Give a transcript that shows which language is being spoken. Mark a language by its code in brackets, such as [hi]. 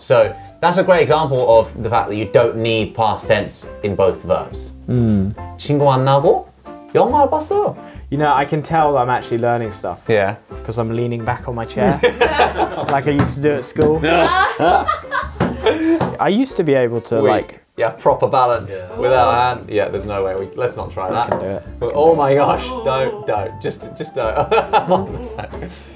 [en] So that's a great example of the fact that you don't need past tense in both verbs. [ko] 친구 만나고 영화를 봤어요. [en] You know, I can tell I'm actually learning stuff. Yeah. Because I'm leaning back on my chair, like I used to do at school. I used to be able to, Yeah, proper balance with our hand. Yeah, there's no way. Let's not try that. We can do it. Oh my gosh. Don't. Just don't.